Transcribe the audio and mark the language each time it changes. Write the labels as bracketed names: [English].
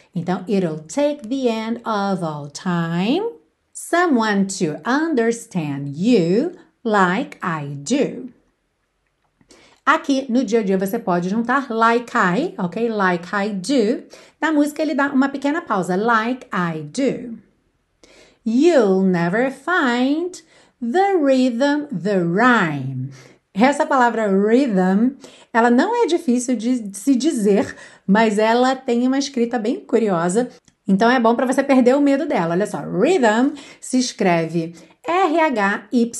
[Portuguese] Então, [English] it'll take the end of all time someone to understand you like I do. [Portuguese] Aqui no dia a dia você pode juntar [English] like I, [Portuguese] ok? [English] Like I do. [Portuguese] Na música ele dá uma pequena pausa. [English] Like I do. You'll never find the rhythm, the rhyme. [Portuguese] Essa palavra rhythm, ela não é difícil de se dizer, mas ela tem uma escrita bem curiosa. Então é bom para você perder o medo dela. Olha só, rhythm se escreve RHYTHM.